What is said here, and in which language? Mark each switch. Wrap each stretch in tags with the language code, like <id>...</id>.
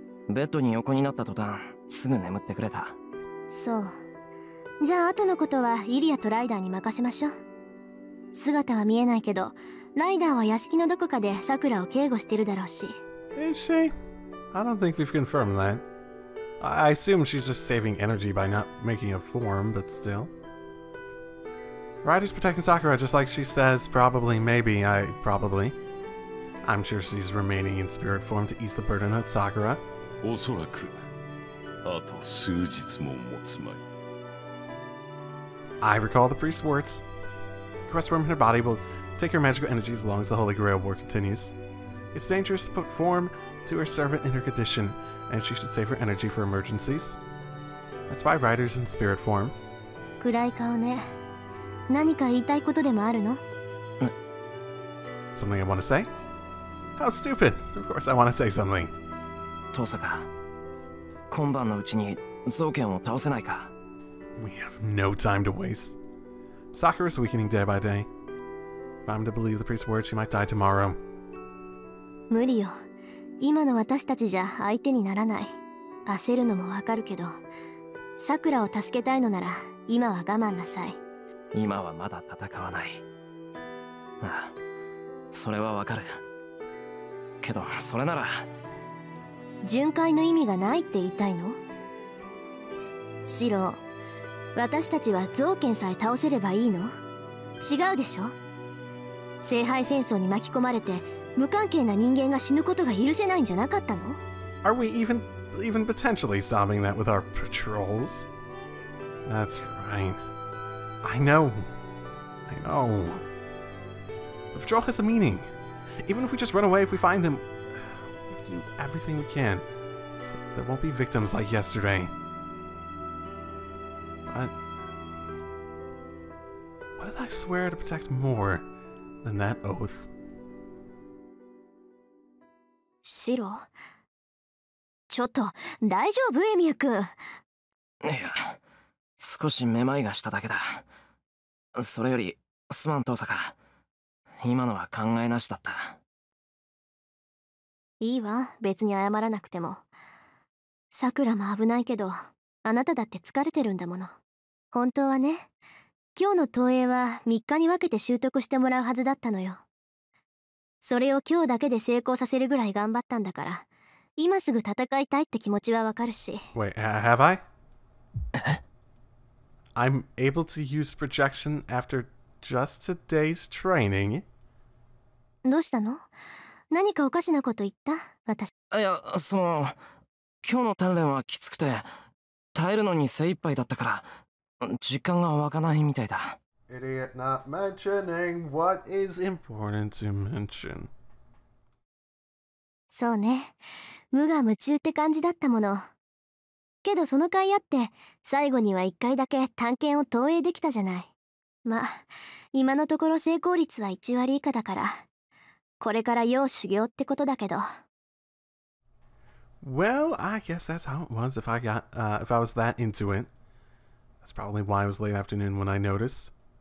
<ja>ベッドに横になった途端、すぐ眠ってくれた。そう。じゃあ後のことはイリアとライダーに任せましょう。姿は見えないけど、ライダーは屋敷のどこかでサクラを警護してるだろうし。</ja> <en>Is she? I don't think we've confirmed that. I assume she's just saving energy by not making a form, but still. Ryder's protecting Sakura just like she says, probably, maybe, I probably. I'm sure she's remaining in spirit form to ease the burden on Sakura.</en> <ja>おそらく、あと数日も持つまい。</ja> <en>I recall the priest's words. The quest form in her body will take her magical energy as long as the Holy Grail war continues. It's dangerous to put form to her servant in her condition, and she should save her energy for emergencies. That's why Ryder's in spirit form.</en> <ja>暗い顔ね。何か言いたいことでもあるの？</ja> <en>Something I want to say? How stupid! Of course I want to say something.</en> <ja>父さか、今晩のうちに造剣を倒せないか？</ja> <en>We have no time to waste. Sakura is weakening day by day. If I'm to believe the priest's words, she might die tomorrow.</en> <ja>無理よ。今の私たちじゃ相手にならない。焦るのもわかるけど、サクラを助けたいのなら今は我慢なさい。今はまだ戦わない。ああ、それはわかる。けど、それなら。巡回の意味がないって言いたいの？シロ、私たちは造剣さえ倒せればいいの？違うでしょ？聖杯戦争に巻き込まれて、無関係な人間が死ぬことが許せないんじゃなかったの？</ja> <en>Are we even potentially stopping that with our patrols? That's right. I know. The patrol has a meaning. Even if we just run away, if we find them, we have to do everything we can so there won't be victims like yesterday. But what did I swear to protect more than that oath? Shiro?</en> <ja>ちょっと、大丈夫、エミヤ君。いや、少しめまいがしただけだ。それより、すまん、父さか。今のは考えなしだった。いいわ、別に謝らなくても。さくらも危ないけど、あなただって疲れてるんだもの。本当はね、今日の投影は3日に分けて習得してもらうはずだったのよ。それを今日だけで成功させるぐらい頑張ったんだから、今すぐ戦いたいって気持ちはわかるし。</ja> <en>Wait, have I? I'm able to use projection after just today's training.</en> <ja>どうしたの？何かおかしなこと言った？私。いや、その、今日の鍛錬はきつくて、耐えるのに精一杯だったから、実感が湧かないみたいだ。</ja> <en>Idiot not mentioning what is important to mention.</en> <ja>そうね。無我夢中って感じだったもの。けどその甲斐あって、最後には1回だけ探検を投影できたじゃない。ま、今のところ成功率は1割以下だから、これから要修行ってことだけど。</ja> <en>Well, I guess that's how it was if I was that into it. That's probably why it was late afternoon when I noticed.</en>